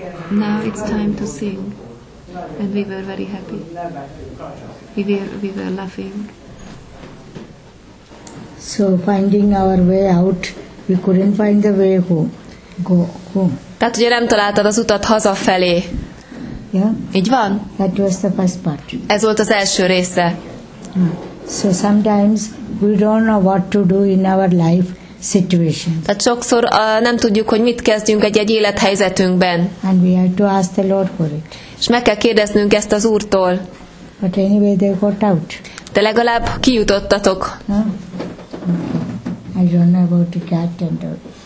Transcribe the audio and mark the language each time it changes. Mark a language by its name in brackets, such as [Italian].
[English] Now it's time to sing, and we were very happy. We were laughing. So finding our way out, we couldn't find the way home. Go home. [Hungarian] Tehát ugye nem találtad az utat hazafelé. [English] Yeah. [Hungarian] Így van? [English] That was the first part. [Hungarian] Ez volt az első része. [English] So sometimes we don't know what to do in our life situation. [Hungarian] Tehát sokszor nem tudjuk, hogy mit kezdjünk egy-egy élethelyzetünkben. [English] And we have to ask the Lord for it. [Hungarian] És meg kell kérdeznünk ezt az Úrtól. [English] But anyway they got out. [Hungarian] De legalább kijutottatok. [English] Yeah. Okay. I don't know about the cat and dog.